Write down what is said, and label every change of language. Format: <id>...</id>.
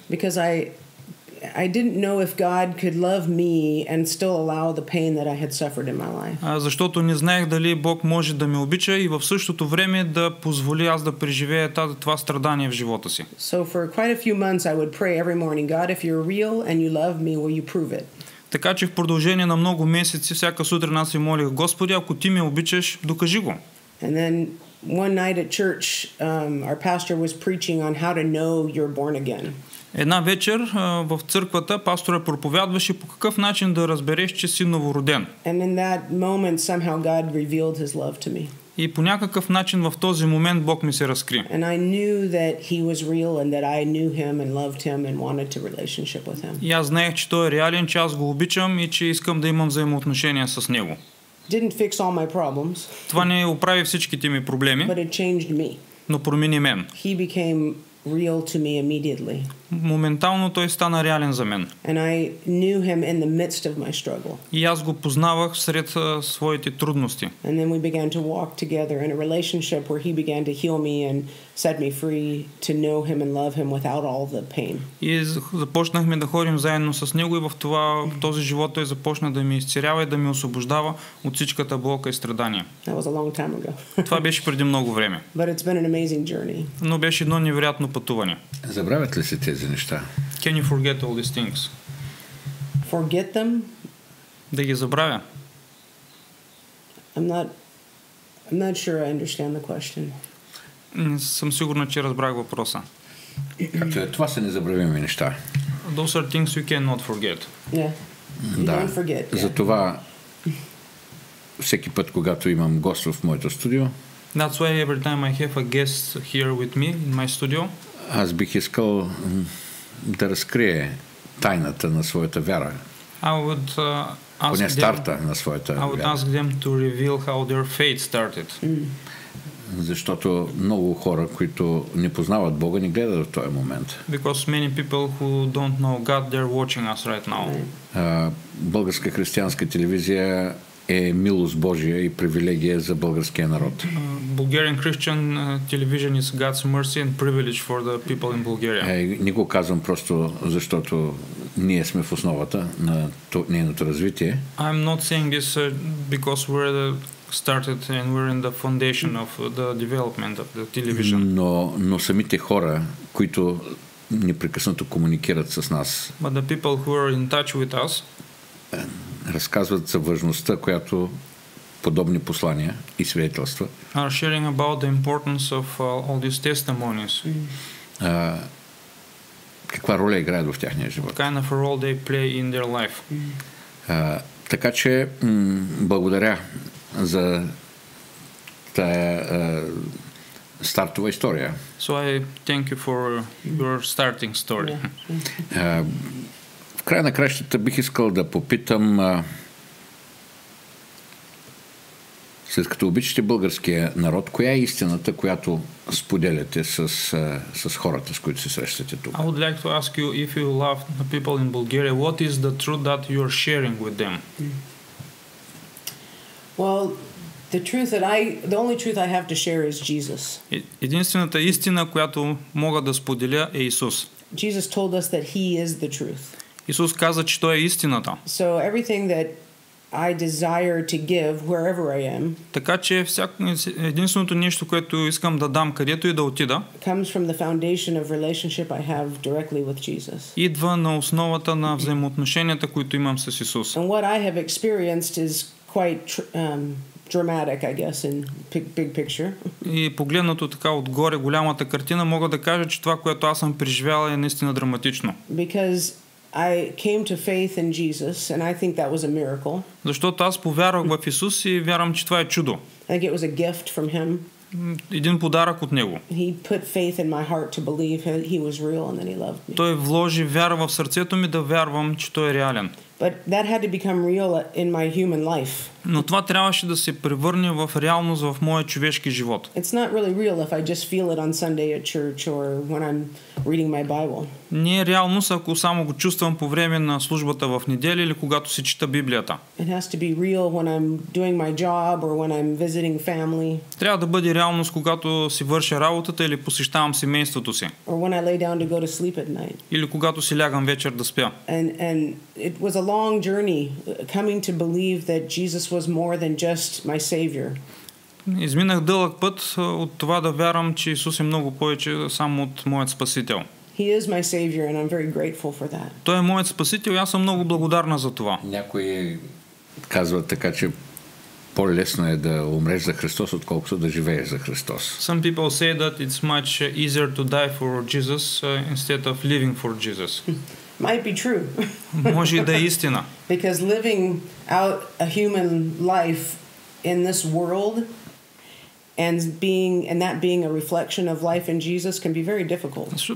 <en>Because I didn't know if God could love me and still allow the pain that I had suffered in my life.</en> <bg>Защото не знаех дали Бог може да ме обича и в същото време да позволи аз да преживея това страдание в живота си.</bg> <en>So for quite a few months I would pray every morning, God, if you're real and you love me, will you prove it?</en> <bg>Така че в продължение на много месеци всяка сутрин аз се молих: Господи, ако ти ме обичаш, докажи го.</bg> <en>And then one night at church, our pastor was preaching on how to know you're born again.</en> <bg>Една вечер в църквата пастора проповядваше по какъв начин да разбереш, че си новороден.</bg> <en>And in that moment, somehow God revealed his love to me.</en> <bg>И по някакъв начин в този момент Бог ми се разкри.</bg> <en>And I knew that he was real and that I knew him and loved him and wanted a relationship with him.</en> <bg>И аз знаех, че той е реален, че аз го обичам и че искам да имам взаимоотношения с него.</bg> <en>Didn't fix all my problems.</en> <bg>Това не оправи всичките ми проблеми.</bg> <en>But it changed me.</en> <bg>Но промени мен.</bg> <en>He became real to me immediately.</en> <bg>Моментално той стана реален за мен.</bg> <en>And I knew him in the midst of my struggle.</en> <bg>И аз го познавах сред своите трудности.</bg> <en>And then we began to walk together in a relationship where he began to heal me and set me free to know him and love him without all the pain.</en> <bg>И започнахме да ходим заедно с него и в този живот той започна да ме изцерява и да ме освобождава от всичката болка и страдания.</bg> <en>That was a long time ago.</en> <bg>Това беше преди много време.</bg> <en>But it's been an amazing journey.</en> <bg>Но беше едно невероятно пътуване. Забравят ли си те? За неща.</bg> <en>Can you forget all these things? Forget them?</en> <bg>Да ги забравя.</bg> <en>I'm not sure I understand the question.</en> <bg>Не съм сигурна, че разбрах въпроса. Както е, това са незабравими неща.</bg> <en>Those are things you cannot forget. Yeah. You don't forget.</en> <bg>Да. Затова всеки път, когато имам гост в моето студио.</bg> <en>That's why every time I have a guest here with me in my studio.</en> <bg>Аз бих искал да разкрие тайната на своята вяра.</bg> <en>Ask them to reveal how their faith started.</en> <bg>Защото много хора, които не познават Бога, не гледат в този момент.</bg> <en>Because many people who don't know God, they're watching us right now.</en> <bg>Българска християнска телевизия е милост Божия и привилегия за българския народ.</bg> <en>Bulgarian Christian television is God's mercy and privilege for the people in Bulgaria.</en> <bg>Не го казвам просто защото ние сме в основата на нейното развитие.</bg> <en>I'm not saying this because we're the started and we're in the foundation of the development of the television.</en> <bg>Но самите хора, които непрекъснато комуникират с нас.</bg> <en>But the people who are in touch with us.</en> <bg>Разказват за важността, която подобни послания и свидетелства.</bg> <en>Are sharing about the importance of all these testimonies.</en> <bg>Каква роля играят в тяхния живот?</bg> <en>What kind of a role they play in their life.</en> <bg>Така че благодаря за тая стартова история.</bg> <en>So I thank you for your starting story.</en> <bg>В края на краищата бих искал да попитам, след като обичате българския народ, коя е истината, която споделяте с хората, с които се срещате тук?</bg> <en>I would like to ask you, if you love the people in Bulgaria, what is the truth that you are sharing with them? Well, the only truth I have to share is Jesus.</en> <bg>Единствената истина, която мога да споделя, е Исус.</bg> <en>Jesus told us that he is the truth.</en> <bg>Исус каза, че той е истината.</bg> <en>So everything that I desire to give wherever I am.</en> <bg>Така че единственото нещо, което искам да дам където и да отида,</bg> <en>comes from the foundation of relationship I have directly with Jesus.</en> <bg>Идва на основата на взаимоотношенията, които имам с Исус.</bg> <en>And what I have experienced is quite dramatic, I guess, in big picture.</en> <bg>И погледнато така отгоре голямата картина, мога да кажа, че това, което аз съм преживяла, е наистина драматично.</bg> <en>Because I came to faith in Jesus and I think that was a miracle.</en> <bg>Защото аз повярвах в Исус и вярвам, че това е чудо.</bg> <en>I think it was a gift from him.</en> <bg>един подарък от него.</bg> <en>He put faith in my heart to believe he was real and that he loved me.</en> <bg>Той вложи вяра в сърцето ми да вярвам, че той е реален.</bg> <en>But that had to become real in my human life.</en> <bg>Но това трябваше да се превърне в реалност в моя човешки живот.</bg> <en>It's not really real if I just feel it on Sunday at church or when I'm reading my Bible.</en> <bg>Не е реалност, ако само го чувствам по време на службата в неделя или когато си чета Библията.</bg> <en>It has to be real when I'm doing my job or when I'm visiting family.</en> <bg>Трябва да бъде реалност, когато си върша работата или посещавам семейството си.</bg> <en>Or when I lay down to go to sleep at night.</en> <bg>Или когато си лягам вечер да спя.</bg> <en>And it was a long journey coming to believe that Jesus was more than just my savior.</en> <bg>Изминах дълъг път от това да вярвам, че Исус е много повече само от моят спасител.</bg> <en>He is my savior and I'm very grateful for that. Той е моят спасител и аз съм много благодарна за това.</en> <bg>Някои казват така, че по-лесно е да умреш за Христос, отколкото да живееш за Христос.</bg> <en>Some people say that it's much easier to die for Jesus instead of living for Jesus. Might be true.</en> <bg>Може да е истина.</bg> <en>Because living out a human life in this world and that being a reflection of life in Jesus can be very difficult.</en>